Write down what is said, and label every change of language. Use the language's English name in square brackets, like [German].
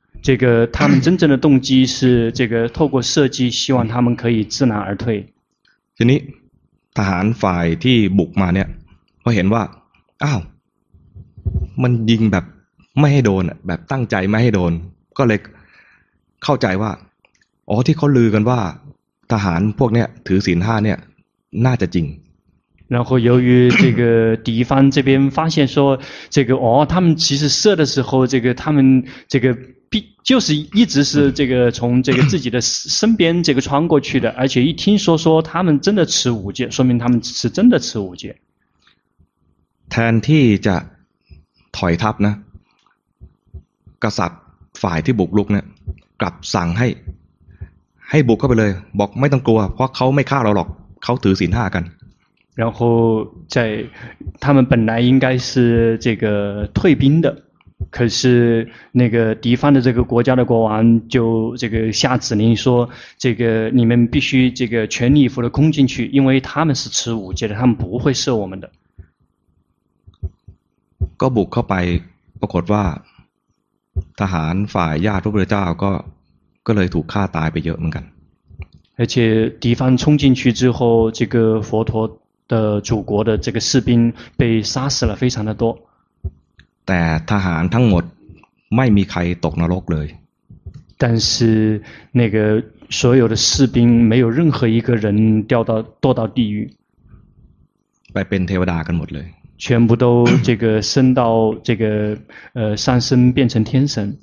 [Chinese] 这个他们真正的动机是这个透过射击希望他们可以知难而退 [Thai] ทีนี้ทหารฝ่ายที่บุกมาเนี่ยพอเห็นว่าอ้าวมันยิงแบบไม่ให้โดนแบบตั้งใจไม่ให้โดนก็เลยเข้าใจว่าอ๋อที่เขาลือกันว่าทหารพวกเนี้ยถือศีลห้าเนี่ยน่าจะจริง [Chinese] 然后由于这个敌方这边发现说这个哦他们其实射的时候这个他们这个就是一直是这个从这个自己的身边这个穿过去的而且一听说他们真的持五戒说明他们是真的持五戒 [Thai] แทนที่จะถอยทัพนะกษัตริย์ฝ่ายที่บุกรุกเนี่ยกลับสั่งให้บุกเข้าไปเลยบอกไม่ต้องกลัวเพราะเขาไม่ฆ่าเราหรอกเขาถือศีลห้ากัน [Chinese] 然后在他们本来应该是这个退兵的可是那个敌方的这个国家的国王就这个下指令说这个你们必须这个全力以赴的攻进去因为他们是持五戒的他们不会射我们的 [Thai] ก็บุกเข้าไปปรากฏว่าทหารฝ่ายญาติพระพุทธเจ้าก็เลยถูกฆ่าตายไปเยอะเหมือนกัน [Chinese] 而且敌方冲进去之后这个佛陀的祖国的这个士兵被杀死了非常的多 [Thai] แต่ทหารทั้งหมดไม่มีใครตกนรกเลย [Chinese] 但是那个所有的士兵没有任何一个人掉到堕到地狱 [Thai] ไปเป็นเทวดากันหมดเลย [Chinese] 全部都这个升到这个上升变成天神